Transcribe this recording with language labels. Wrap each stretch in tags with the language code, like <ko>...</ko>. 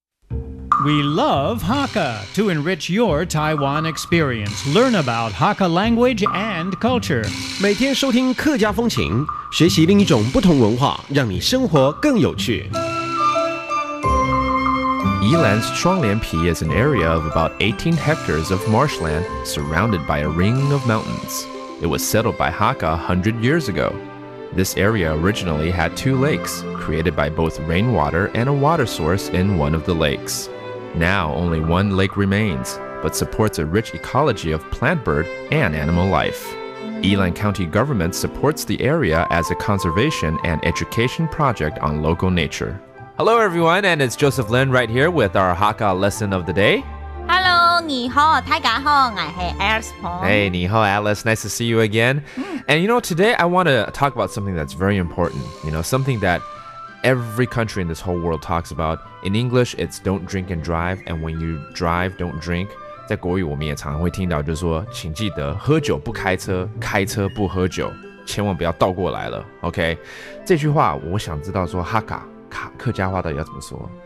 <en>We love Hakka to enrich your Taiwan experience. Learn about Hakka language and culture.</en> <zh>每天收听客家风情，学习另一种不同文化，让你生活更有趣。</zh> <en>宜兰's Shuangliangpi is an area of about 18 hectares of marshland surrounded by a ring of mountains. It was settled by Hakka 100 years ago. This area originally had two lakes, created by both rainwater and a water source in one of the lakes. Now only one lake remains, but supports a rich ecology of plant, bird, and animal life. Yilan County Government supports the area as a conservation and education project on local nature. Hello everyone, and it's Joseph Lin right here with our Hakka lesson of the day. Hello,</en> <zh>你好，大家好，我是 Alice Pong.</zh> <en>Hey,</en> <zh>你好</zh> <en>Alice, nice to see you again. And you know, today I want to talk about something that's very important, you know, something that every country in this whole world talks about. In English, it's don't drink and drive, and when you drive, don't drink.</en> <zh>在国语我们也常会听到就是说请记得喝酒不开车，开车不喝酒，千万不要倒过来了 OK, 这句话我想知道说哈嘎客家话到底要怎么说</zh>